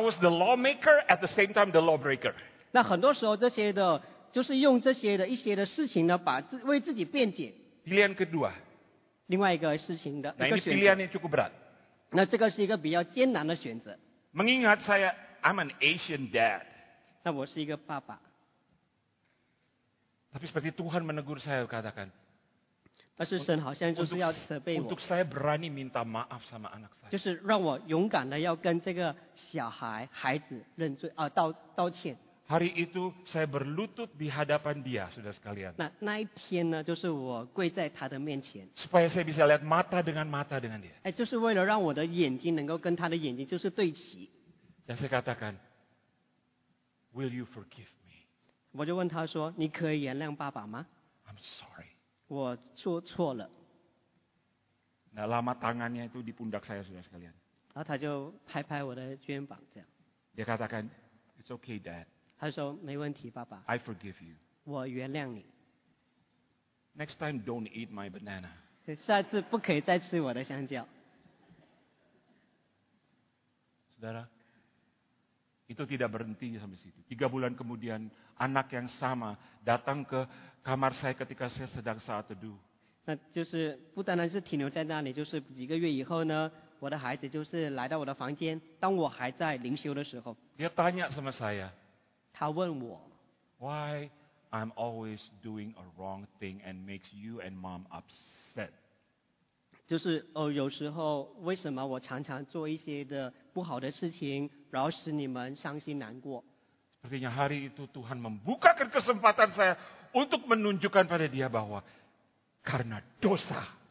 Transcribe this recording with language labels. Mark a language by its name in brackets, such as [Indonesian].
[English] was the lawmaker at the same time the lawbreaker. [Chinese] 那很多时候这些的，就是用这些的一些的事情呢，把为自己辩解。 [Indonesian] Pilihan kedua. [Chinese] 另外一个事情的一个选择。Nah, [Indonesian] ini pilihan yang cukup berat. [Chinese] 那这个是一个比较艰难的选择。 [Indonesian] Mengingat saya, [English] I'm an Asian dad. [Chinese] 那我是一个爸爸。 [Indonesian] Tapi seperti Tuhan menegur saya, katakan. Tapi Tuhan, hanya untuk saya berani. Untuk saya berani minta maaf sama anak saya. [Chinese] 就是让我勇敢的要跟这个小孩孩子认罪啊道歉。 [Indonesian] Hari itu saya berlutut di hadapan dia, saudara sekalian. [Chinese] Nah, 那一天呢，就是我跪在他的面前。 [Indonesian] Supaya saya bisa lihat mata dengan mata dengan dia. [Chinese] 哎，就是为了让我的眼睛能够跟他的眼睛就是对齐。 [Indonesian] Dan saya katakan, [English] Will you forgive me? [Chinese] 我就问他说，你可以原谅爸爸吗？ [English] I'm sorry. [Chinese] 我做错了。 [Indonesian] Nah, lama tangannya itu di pundak saya, saudara sekalian. [Chinese] 然后他就拍拍我的肩膀，这样。 [Indonesian] Dia katakan, [English] It's okay, Dad. [Chinese] 他说没问题，爸爸。 [English] I forgive you. [Chinese] 我原谅你。 [English] Next time, don't eat my banana. [Chinese] 下次不可以再吃我的香蕉。 [Indonesian] Saudara, itu tidak berhenti sampai situ. 3 bulan kemudian, anak yang sama datang ke kamar saya ketika saya sedang saat teduh. [Chinese] 那就是不单单是停留在那里，就是几个月以后呢。我的孩子就是来到我的房间，当我还在灵修的时候， [Indonesian] dia tanya sama saya， [Chinese] 他问我， [English] Why I'm always doing a wrong thing and makes you and mom upset？ [Chinese] 就是哦，有时候为什么我常常做一些的不好的事情，然后使你们伤心难过？ [Indonesian] Sepertinya hari itu Tuhan membukakan kesempatan saya untuk menunjukkan pada dia bahwa karena dosa。